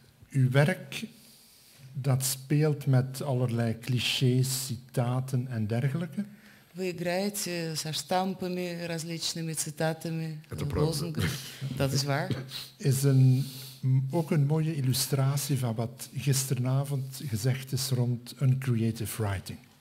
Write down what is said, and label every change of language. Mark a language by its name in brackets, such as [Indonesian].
[Dutch] Uw werk, dat speelt met allerlei clichés, citaten en dergelijke. [Russian] Вы играете со штампами, различными цитатами, лозунгами. [Dutch] Dat is waar. Is een ook een mooie illustratie van wat gisteravond gezegd is rond uncreative writing.